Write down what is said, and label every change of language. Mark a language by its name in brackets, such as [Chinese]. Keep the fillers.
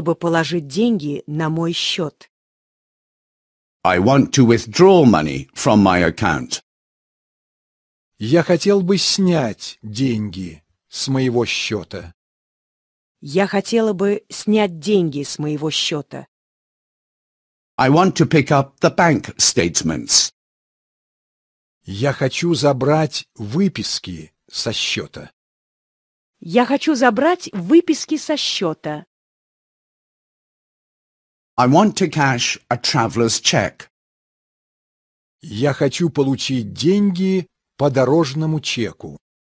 [Russian] бы положить деньги на мой счет. [English] I want to withdraw money from my account. [Russian] Я хотел бы снять деньги с моего счета. Я хотела бы снять деньги с моего счета. [English] I want to pick up the bank statements. [Russian] Я хочу забрать выписки со счета. Я хочу забрать выписки со счета. [English] I want to cash a traveler's check. [Russian] Я хочу получить деньги по дорожному чеку.